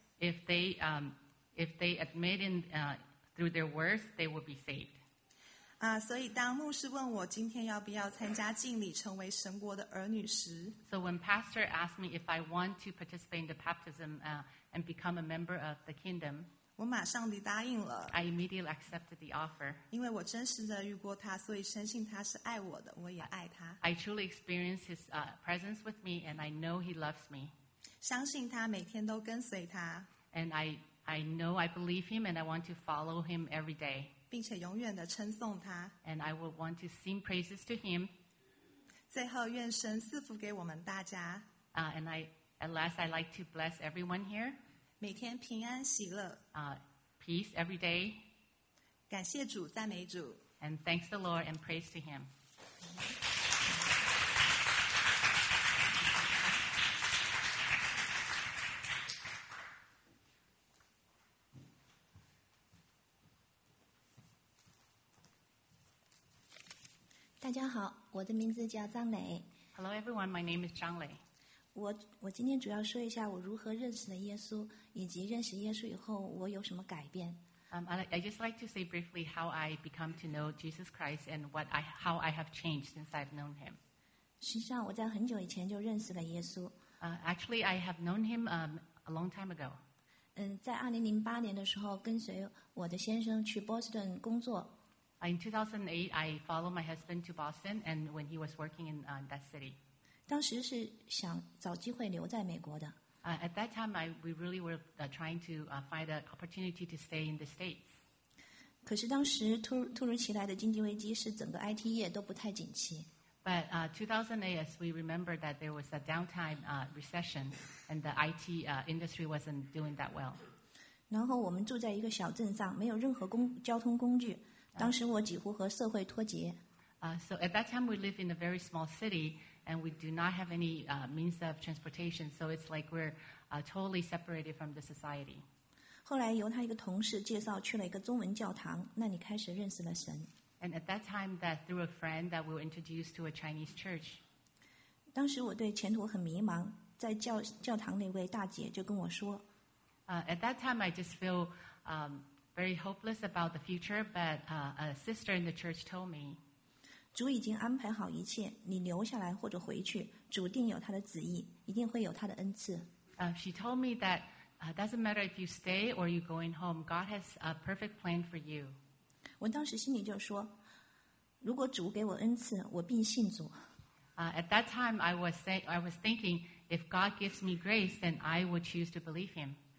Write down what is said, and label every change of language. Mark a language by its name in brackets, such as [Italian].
[English] If they admit in through their words, they will be saved. [Chinese] 所以当牧师问我今天要不要参加敬礼成为神国的儿女时 [English] ，So when pastor asked me if I want to participate in the baptism and become a member of the kingdom, [Chinese] 我马上地答应了。 [English] I immediately accepted the offer. [Chinese] 因为我真实的遇过他，所以深信他是爱我的，我也爱他。 [English] I truly experienced his presence with me, and I know he loves me. [Chinese] 相信他，每天都跟随他。 [English] And I know I believe him and I want to follow him every day. [Chinese] 并且永远地称颂他。 [English] And I would want to sing praises to him. [Chinese] 最后愿神赐福给我们大家。 [English] And at last I like to bless everyone here. [Chinese] 每天平安喜乐。 [English] Peace every day. [Chinese] 感谢主，赞美主。 [English] And thanks the Lord and praise to him. Hello everyone, my name is Zhang Lei. [Chinese] 我今天主要说一下我如何认识的耶稣，以及认识耶稣以后我有什么改变。 [English] I just like to say briefly how I become to know Jesus Christ and how I have changed since I've known him. [Chinese] 实际上我在很久以前就认识了耶稣。 [English] Actually, I have known him a long time ago. [Chinese] 在2008年的时候跟随我的先生去 Boston 工作。 [English] In 2008, I followed my husband to Boston, and when he was working in that city. [Chinese] 当时是想找机会留在美国的。 [English] At that time, we really were trying to find an opportunity to stay in the States. [Chinese] 可是当时突如其来的经济危机是整个 IT 业都不太景气。 [English] But 2008, as we remember that there was a downtime recession, and the IT industry wasn't doing that well. [Chinese] 然后我们住在一个小镇上，没有任何交通工具。当时我几乎和社会脱节。 [English] So at that time we live in a very small city and we do not have any means of transportation. So it's like we're totally separated from the society. [Chinese] 后来由他一个同事介绍去了一个中文教堂，那里开始认识了神。 [English] And at that time that through a friend that we were introduced to a Chinese church. [Chinese] 当时我对前途很迷茫，在教堂那位大姐就跟我说。 [English] At that time I just feel very hopeless about the future, but a sister in the church told me, [Chinese] 主已经安排好一切，你留下来或者回去，主定有他的旨意，一定会有他的恩赐。 [English] She told me that doesn't matter if you stay or you going home, God has a perfect plan for you. [Chinese] 我当时心里就说，如果主给我恩赐，我必信主。 [English] At that time, I was thinking, if God gives me grace, then I would choose to believe him.